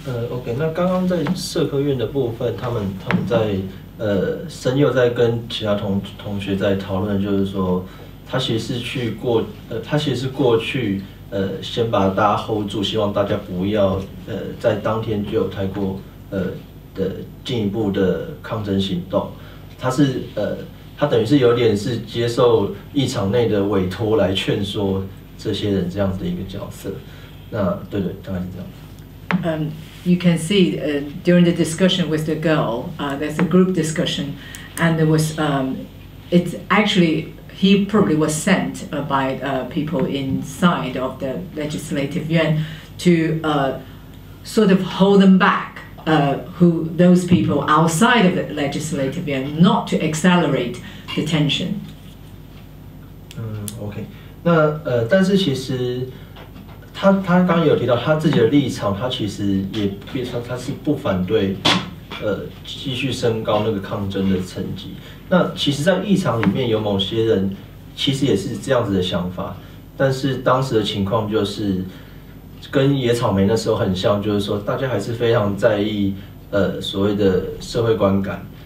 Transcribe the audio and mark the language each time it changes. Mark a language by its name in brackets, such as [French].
[Chinese] OK， 那刚刚在社科院的部分，他们在森佑在跟其他同学在讨论，就是说他其实是过去先把大家 hold 住，希望大家不要在当天就有太过的进一步的抗争行动，他是他等于是有点是接受议场内的委托来劝说这些人这样子的一个角色，那对对，大概是这样。 [English] You can see during the discussion with the girl, there's a group discussion, and there was, it's actually, he probably was sent by people inside of the legislative yuan to sort of hold them back, those people outside of the legislative yuan, not to accelerate the tension. Okay. [Chinese] 那但是其实他刚刚有提到他自己的立场，他其实也他是不反对，继续升高那个抗争的层级。那其实，在议场里面有某些人其实也是这样子的想法，但是当时的情况就是跟野草莓那时候很像，就是说大家还是非常在意所谓的社会观感。